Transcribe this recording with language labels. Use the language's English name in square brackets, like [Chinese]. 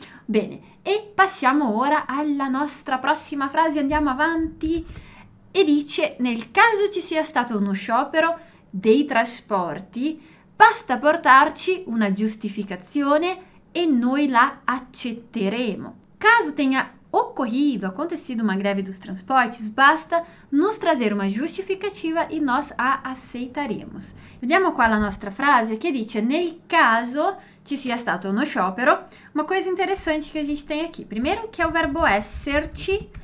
[Italian] Bene, e passiamo ora alla nostra prossima frase, andiamo avanti. E dice, nel caso ci sia stato uno sciopero dei trasporti, basta portarci una giustificazione e noi la accetteremo. [Portuguese] Caso tenha ocorrido, acontecido uma greve dos transportes, basta nos trazer uma justificativa e nós a aceitaremos. [Italian] Vediamo qua la nostra frase che dice: nel caso ci sia stato uno sciopero, [Portuguese] uma coisa interessante que a gente tem aqui. Primeiro que é o verbo esserci.